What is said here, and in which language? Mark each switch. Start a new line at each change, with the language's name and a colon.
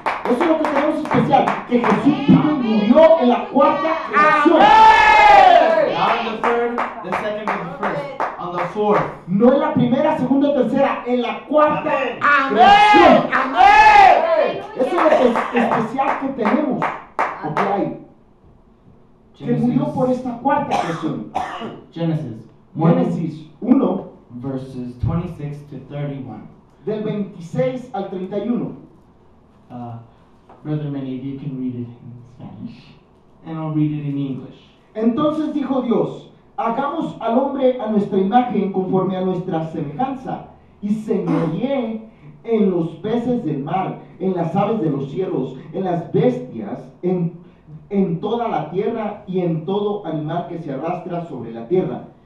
Spanish: Eso es lo que tenemos especial, que Jesús vino y murió en la cuarta creación.
English: Not on the third, the second, and the first. On the fourth.
Spanish: No en la primera, segunda, tercera, en la cuarta. Amén. Amén. Eso es lo que especial que tenemos. Porque hay. Que murió por esta cuarta creación.
English: Genesis.
Spanish: Génesis 1.
English: Verses 26 to 31.
Spanish: Del 26 al 31.
English: Brother Manny, if you can read it in Spanish. And I'll read it in English.
Spanish: Entonces dijo Dios, hagamos al hombre a nuestra imagen conforme a nuestra semejanza. Y señoreé en los peces del mar, en las aves de los cielos, en las bestias, en toda la tierra y en todo animal que se arrastra sobre la tierra.